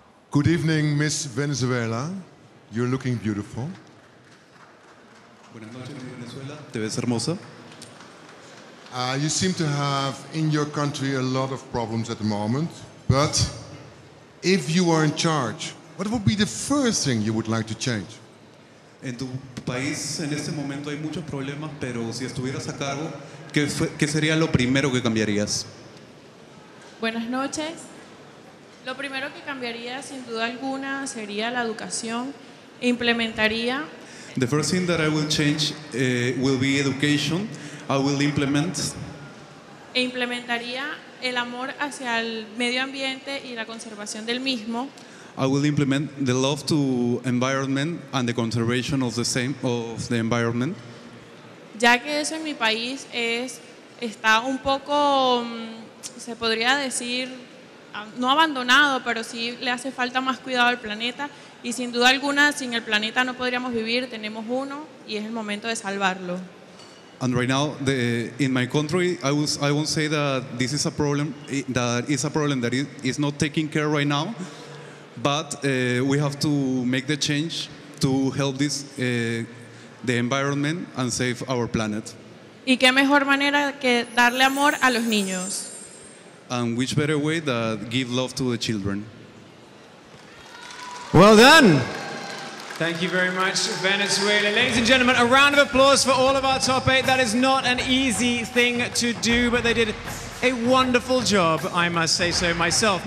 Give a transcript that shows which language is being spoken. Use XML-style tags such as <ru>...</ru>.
<en>Good evening, Miss Venezuela. You're looking beautiful.</en> <es>Buenas noches, Miss Venezuela. Te ves hermosa.</es> <en>You seem to have in your country a lot of problems at the moment, but if you are in charge, what would be the first thing you would like to change?</en> <es>En tu país en este momento hay muchos problemas, pero si estuvieras a cargo, ¿qué sería lo primero que cambiarías? Buenas noches. Lo primero que cambiaría, sin duda alguna, sería la educación. Implementaría.</es> <en>The first thing that I will change will be education. I will implement.</en> <es>E implementaría el amor hacia el medio ambiente y la conservación del mismo.</es> <en>I will implement the love to environment and the conservation of the same of the environment.</en> <es>Ya que eso en mi país está un poco, se podría decir. No abandonado, pero sí le hace falta más cuidado al planeta. Y sin duda alguna, sin el planeta no podríamos vivir. Tenemos uno y es el momento de salvarlo.</es> <en>And right now, in my country, I won't say that this is a problem. That is a problem that is not taking care right now. But we have to make the change to help this the environment and save our planet.</en> <es>¿Y qué mejor manera que darle amor a los niños?</es> <en>And which better way than give love to the children. Well done. Thank you very much, Venezuela. Ladies and gentlemen, a round of applause for all of our top eight. That is not an easy thing to do, but they did a wonderful job, I must say so myself.</en>